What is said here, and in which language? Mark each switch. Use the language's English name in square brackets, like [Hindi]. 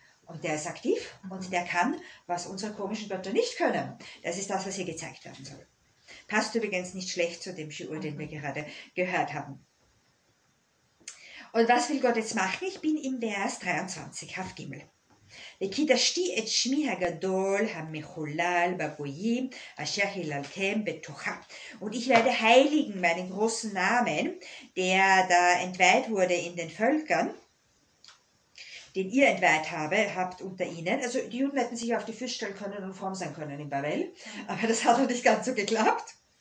[German] Und der ist aktiv und der kann, was unsere komischen Götter nicht können. Das ist das, was hier gezeigt werden soll. Passt übrigens nicht schlecht zu dem Schiur, den wir gerade gehört haben. Und was will Gott jetzt machen? Ich bin im Vers 23, Hafgimmel. [Hebrew] וקידשתי את שמי הגדול, המחולל בגויים, אשר היללתם בתוכה. [German] Und ich werde heiligen meinen großen Namen, der da entweiht wurde in den Völkern, den ihr entweiht habt unter ihnen. Also die Juden hätten sich auf die Füße stellen können und fromm sein können in Babel, aber das hat auch nicht ganz so geklappt.